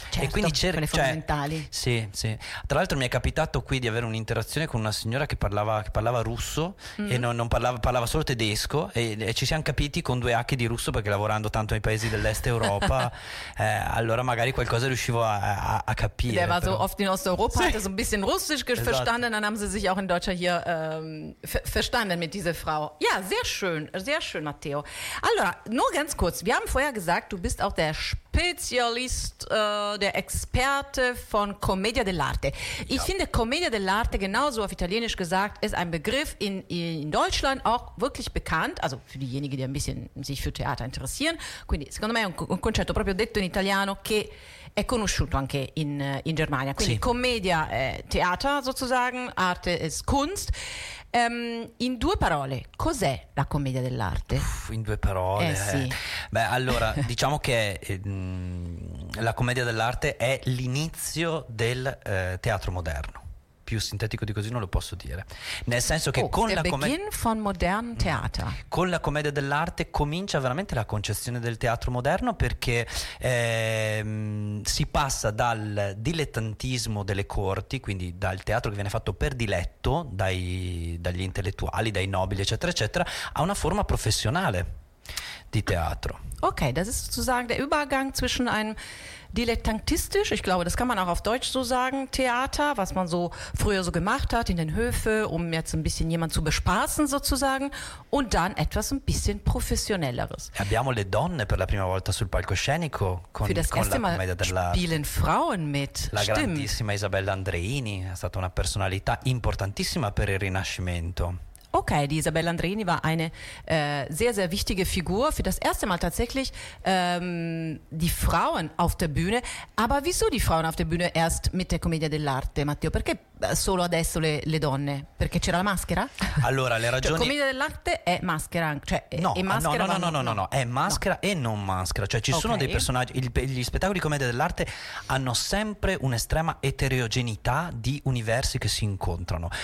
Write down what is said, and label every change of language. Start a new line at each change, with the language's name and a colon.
Italian: Certo, e quindi fondamentali. Sì, sì. Tra l'altro mi è capitato qui di avere un'interazione con una signora che parlava russo e non parlava solo tedesco e ci siamo capiti con due H di russo perché lavorando tanto nei paesi dell'est Europa, allora magari qualcosa riuscivo a capire.
German: Der war so oft in Osteuropa, sì. Hat das ein bisschen russisch verstanden, esatto. Dann haben sie sich auch in Deutscher hier... verstanden mit dieser Frau. Ja, sehr schön, Matteo. Allora, nur ganz kurz, wir haben vorher gesagt, du bist auch der Spezialist, der Experte von Commedia dell'arte. Ich finde, Commedia dell'arte, genauso auf Italienisch gesagt, ist ein Begriff in Deutschland auch wirklich bekannt, also für diejenigen, die ein bisschen sich für Theater interessieren.
Italian: Quindi, secondo me, è un concetto proprio detto in italiano che è conosciuto anche in Germania. Quindi, sì.
German: Commedia è Theater sozusagen, Arte ist Kunst.
Italian: In due parole, cos'è la commedia dell'arte? In due parole, sì. Beh, allora, diciamo che la commedia dell'arte è l'inizio del teatro moderno. Più sintetico di così non lo posso dire. Nel senso che con la commedia dell'arte comincia veramente la concezione del teatro moderno, perché si passa dal dilettantismo delle corti, quindi dal teatro che viene fatto per diletto dagli intellettuali, dai nobili, eccetera, eccetera, a una forma professionale di teatro.
German: Ok, das ist sozusagen der Übergang zwischen einem dilettantistisch, ich glaube, das kann man auch auf Deutsch so sagen, Theater, was man so früher so gemacht hat in den Höfen, um jetzt ein bisschen jemanden zu bespaßen sozusagen, und dann etwas ein bisschen professionelleres.
Italian: Abbiamo le donne per la prima volta sul palcoscenico con la Commedia dell'arte.
German: Für das erste Mal spielen Frauen mit.
Italian: La grandissima Isabella Andreini è stata una personalità importantissima per il Rinascimento.
German: Okay, die Isabella Andreini war eine sehr, sehr wichtige Figur. Für das erste Mal tatsächlich die Frauen auf der Bühne. Aber wieso die Frauen auf der Bühne erst mit der Commedia dell'arte, Matteo?
Italian: Perché solo adesso le donne? Perché c'era la maschera? Allora, le ragioni... Cioè, Commedia dell'arte è maschera. È maschera e non maschera. Cioè ci sono dei personaggi... Gli spettacoli di Commedia dell'arte hanno sempre un'estrema eterogeneità di universi che si incontrano.